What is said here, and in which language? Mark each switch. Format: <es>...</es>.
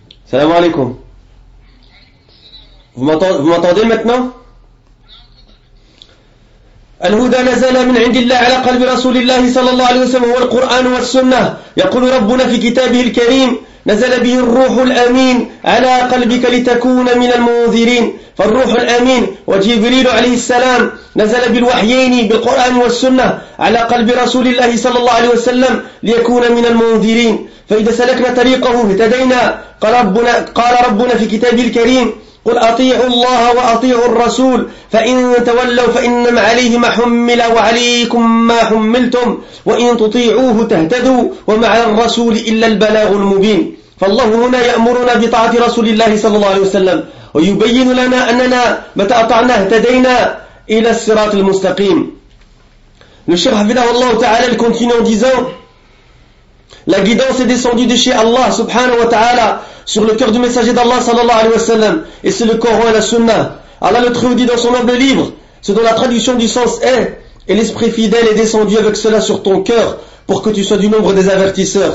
<fr>Salam alaikum. Vous m'entendez maintenant ?</fr> <ar>الهدى نزل من عند الله على قلب رسول الله صلى الله عليه وسلم هو القرآن والسنة. يقول ربنا في كتابه الكريم نزل به الروح الأمين على قلبك لتكون من المنذرين. فالروح الأمين وجبريل عليه السلام نزل بالوحيين بالقرآن والسنة على قلب رسول الله صلى الله عليه وسلم ليكون من المنذرين. فإذا سلكنا طريقه اهتدينا. قال ربنا في كتابه الكريم قل أطيعوا الله وأطيعوا الرسول فإن تولوا فإنما عليه ما حمل وعليكم ما حملتم وإن تطيعوه تهتدوا وما على الرسول إلا البلاغ المبين. فالله هنا يأمرنا بطاعة رسول الله صلى الله عليه وسلم ويبين لنا أننا متى أطعنا اهتدينا إلى الصراط المستقيم. الشيخ حفظه الله تعالى</ar> <fr>continue en disant: la guidance est descendue de chez Allah subhanahu wa ta'ala sur le cœur du messager d'Allah sallallahu alayhi wa sallam, et c'est le Coran et la Sunna. Allah le Très-Haut dit dans son noble livre, ce dont la traduction du sens est: et l'esprit fidèle est descendu avec cela sur ton cœur pour que tu sois du nombre des avertisseurs.</fr>